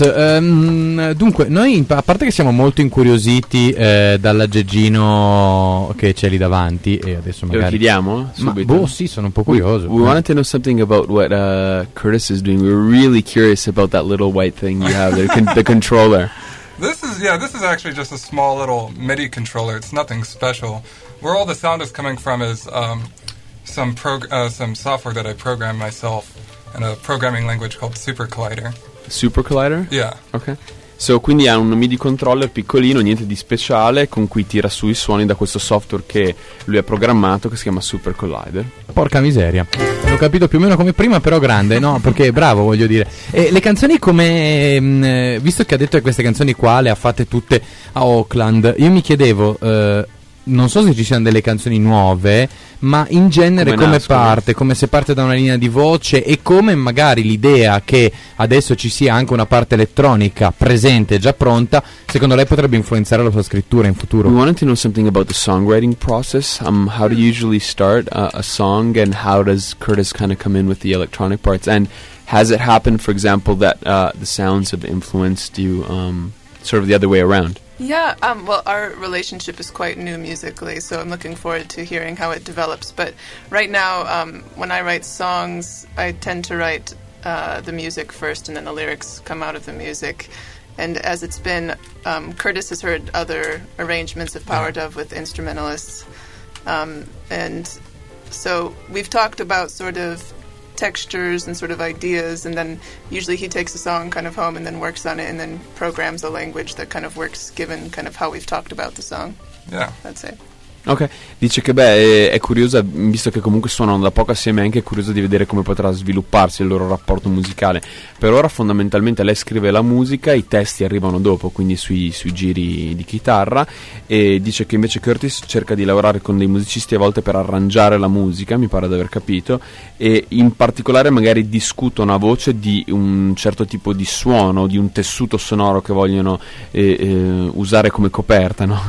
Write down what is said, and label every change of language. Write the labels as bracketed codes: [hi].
[it] Dunque, noi, a parte che siamo molto incuriositi dall'aggeggino che c'è lì davanti, e adesso magari lo chiediamo subito. Boh, sì, sono un po' curioso. [en] We wanted to know something about what Curtis is doing. We're really curious about that little white thing you have, the controller. This is actually just a small little MIDI controller. It's nothing special. Where all the sound is coming from is some software that I programmed myself in a programming language called Super Collider. Super Collider? Yeah. Okay. [it] So, quindi ha un MIDI controller piccolino, niente di speciale, con cui tira su i suoni da questo software che lui ha programmato, che si chiama Super Collider. Porca miseria. L'ho capito più o meno come prima, però grande, no? Perché bravo, voglio dire. E le canzoni come... visto che ha detto che queste canzoni qua le ha fatte tutte a Auckland, io mi chiedevo... non so se ci siano delle canzoni nuove, ma in genere come parte, come se parte da una linea di voce, e come magari l'idea che adesso ci sia anche una parte elettronica presente già pronta, secondo lei potrebbe influenzare la sua scrittura in futuro? [en] We wanted to know something about the songwriting process. How do you usually start a song, and how does Curtis kind of come in with the electronic parts? And has it happened, for example, that the sounds have influenced you sort of the other way around? Yeah, well, our relationship is quite new musically, so I'm looking forward to hearing how it develops. But right now, when I write songs, I tend to write the music first, and then the lyrics come out of the music. And as it's been, Curtis has heard other arrangements of Power Dove with instrumentalists. And so we've talked about sort of textures and sort of ideas, and then usually he takes a song kind of home and then works on it and then programs a language that kind of works given kind of how we've talked about the song. Yeah, that's it. [it] Ok, dice che è curiosa, visto che comunque suonano da poco assieme, è anche curiosa di vedere come potrà svilupparsi il loro rapporto musicale. Per ora fondamentalmente lei scrive la musica, i testi arrivano dopo, quindi sui giri di chitarra, e dice che invece Curtis cerca di lavorare con dei musicisti a volte per arrangiare la musica, mi pare di aver capito, e in particolare magari discutono a voce di un certo tipo di suono, di un tessuto sonoro che vogliono usare come coperta, no?